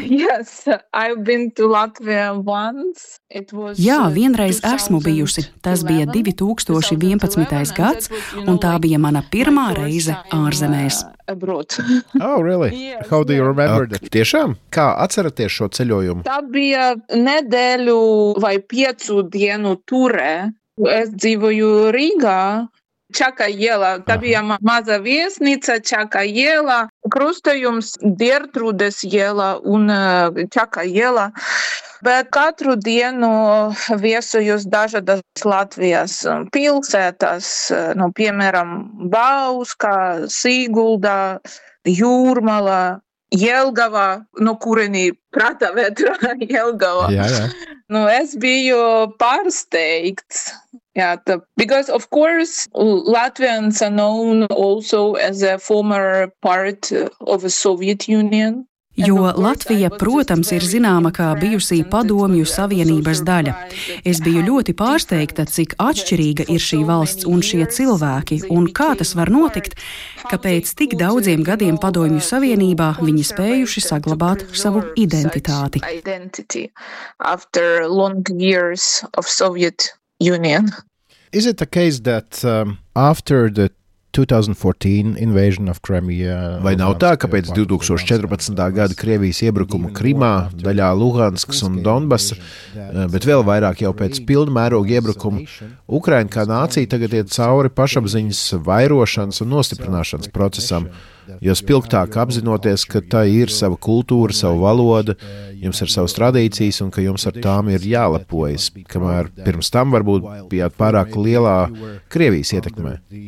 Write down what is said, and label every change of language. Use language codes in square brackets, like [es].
[en] Yes, I've been to Latvia once. [lv] Jā, vienreiz esmu bijusi. Tas bija 2011. Gads, un tā bija mana pirmā reize ārzemēs. [en] Oh, really? How do you remember that? [lv] Tiešām? Kā atceraties šo ceļojumu? Tā bija nedēļu vai piecu dienu ture. Es dzīvoju Rīgā. Čaka iela, tā bija maza viesnica, Čaka iela, krustojums Diertrūdes iela un Čaka iela, bet katru dienu viesojos dažādas Latvijas pilsētas, nu, piemēram, Bauska, Sīgulda, Jūrmala, Jelgava, no kurenī prata vētra Jelgava. Jā, jā. Nu, es biju pārsteigts. [en] Yeah, the, because of course Latvians are known also as a former part of the Soviet Union. [lv] Jo Latvija, protams, ir zināma kā bijusī Padomju Savienības daļa. Es biju ļoti pārsteigta, cik atšķirīga ir šī valsts un šie cilvēki, un kā tas var notikt, ka pēc tik daudziem gadiem Padomju Savienībā viņi spējuši saglabāt savu identitāti. [en] After long years of Soviet Union. Is it the case that after the 2014 invasion of Crimea. [lv] Vai nav tā, ka pēc 2014. Gada Krievijas iebrukuma Krimā, daļā Luhanskas un Donbasa, bet vēl vairāk jau pēc pilnmēroga iebrukuma, Ukraina kā nācija tagad iet cauri pašapziņas vairošanas un nostiprināšanas procesam, jo spilgtāk apzinoties, ka tā ir sava kultūra, sava valoda, jums ir savas tradīcijas un ka jums ar tām ir jālepojas, kamēr pirms tam varbūt bijāt pārāk lielā Krievijas ietekmē.